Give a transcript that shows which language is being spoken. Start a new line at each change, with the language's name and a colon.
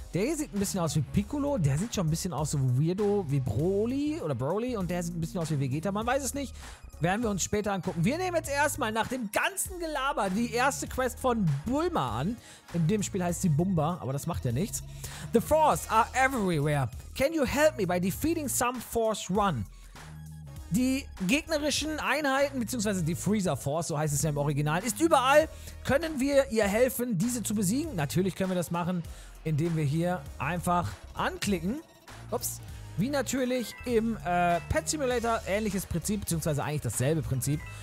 German: Der hier sieht ein bisschen aus wie Piccolo, der sieht schon ein bisschen aus so weirdo wie Broly oder Broly und der sieht ein bisschen aus wie Vegeta, man weiß es nicht. Werden wir uns später angucken. Wir nehmen jetzt erstmal nach dem ganzen Gelaber die erste Quest von Bulma an. In dem Spiel heißt sie Bumba, aber das macht ja nichts.
English: The Force are everywhere. Can you help me by defeating some Force Run?
German: Die gegnerischen Einheiten, beziehungsweise die Freezer Force, so heißt es ja im Original, ist überall. Können wir ihr helfen, diese zu besiegen? Natürlich können wir das machen, indem wir hier einfach anklicken. Ups. Wie natürlich im Pet Simulator, ähnliches Prinzip, beziehungsweise eigentlich dasselbe Prinzip.